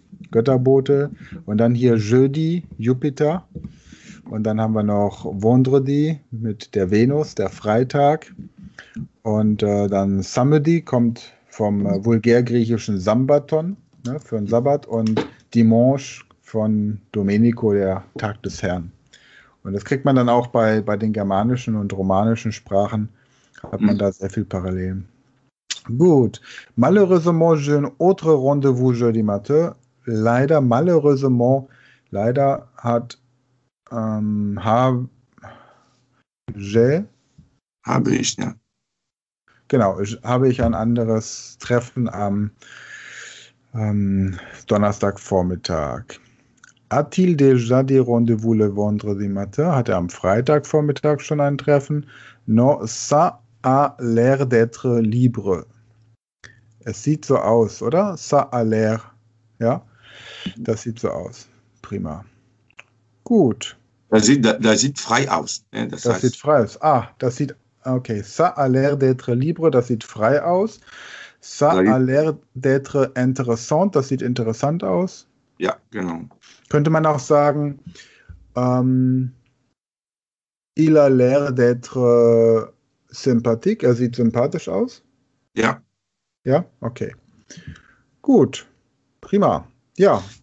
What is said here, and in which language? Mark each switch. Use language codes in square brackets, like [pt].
[de] Götterbote und dann hier Jeudi, Jupiter und dann haben wir noch Vendredi mit der Venus, der Freitag und dann Samedi kommt vom vulgärgriechischen Sambaton, ne, für den Sabbat und Dimanche von Domenico, der Tag des Herrn. Und das kriegt man dann auch bei den germanischen und romanischen Sprachen, hat man da sehr viel parallel. Gut. [fr] Malheureusement, j'ai un autre rendez-vous jeudi matin. [de] Leider, malheureusement, leider hat, habe ich, ja. Genau, habe ich ein anderes Treffen am Donnerstagvormittag. [fr] A-t-il déjà des rendez-vous le vendredi matin? [de] Hat er am Freitagvormittag schon ein Treffen? [fr] Non, ça a l'air d'être libre. [de] Es sieht so aus, oder? [fr] Ça a l'air. [de] Ja, das sieht so aus. Prima. Gut. Das sieht frei aus. Das sieht frei aus. Ah, das sieht. Okay. [fr] Ça a l'air d'être libre, [de] das sieht frei aus. [fr] Ça a l'air d'être intéressant, [de] das sieht interessant aus. Ja, genau. Könnte man auch sagen, [fr] il a l'air d'être sympathique, [de] er sieht sympathisch aus? Ja. Ja, okay. Gut, prima, ja.